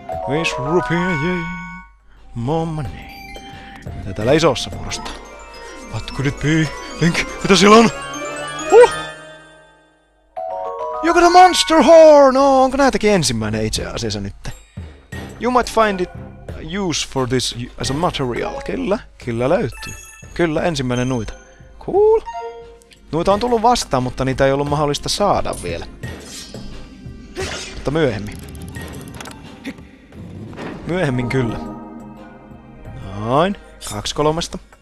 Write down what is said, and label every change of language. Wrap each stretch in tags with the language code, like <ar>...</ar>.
<en>5 rupiaa, yay! More money.</en> <fi>Mitä täällä isossa vuorosta?</fi> <en>What could it be? Link,</en> <fi>mitä siellä on?</fi> <en>You got a monster horn!</en> <fi>No, onko näitäkin ensimmäinen itse asiassa nyt?</fi> <en>You might find it use for this as a material.</en> <fi>Kyllä löytyy. Kyllä, ensimmäinen noita. Cool. Noita on tullut vastaan, mutta niitä ei ollut mahdollista saada vielä. Mutta myöhemmin. Myöhemmin kyllä. Noin. 2/3.</fi>